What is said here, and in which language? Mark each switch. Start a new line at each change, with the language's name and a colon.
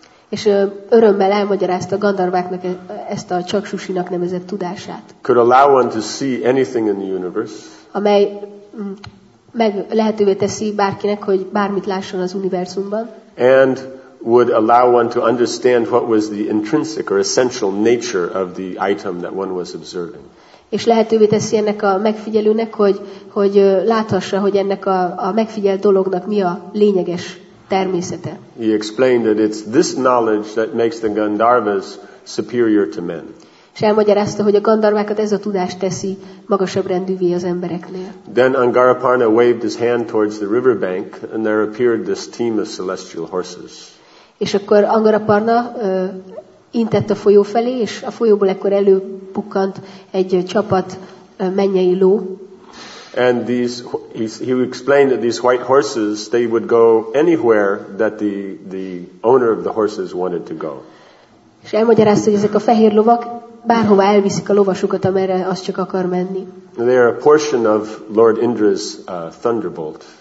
Hungarian: És örömmel elmagyarázta a gandarváknak ezt a Chakshushinak nevezett tudását.
English: Could allow one to see anything in the universe.
Hungarian: Amely meg lehetővé teszi bárkinek, hogy bármit lásson az univerzumban.
English: And would allow one to understand what was the intrinsic or essential nature of the item that one was observing.
Hungarian: És lehetővé teszi ennek a megfigyelőnek, hogy láthassa, hogy ennek a megfigyelt dolognak mi a lényeges természete.
English: He explained that it's this knowledge that makes the Gandharvas superior to men.
Hungarian: És elmagyarázta, hogy a gandarvákat ez a tudás teszi magasabb rendűvé az embereknél.
English: Then Angaraparna waved his hand towards the river bank, and there appeared this team of celestial horses.
Hungarian: És akkor Angaraparna intett a folyó felé, és a folyóból ekkor előbukkant egy csapat mennyei ló.
English: And these, he explained that these white horses, they would go anywhere that the owner of the horses wanted to go.
Hungarian: És elmagyarázta, hogy ezek a fehér lovak bárhová elviszik a lovasukat, amerre az csak akar menni.
English: They are a portion of Lord Indra's thunderbolt.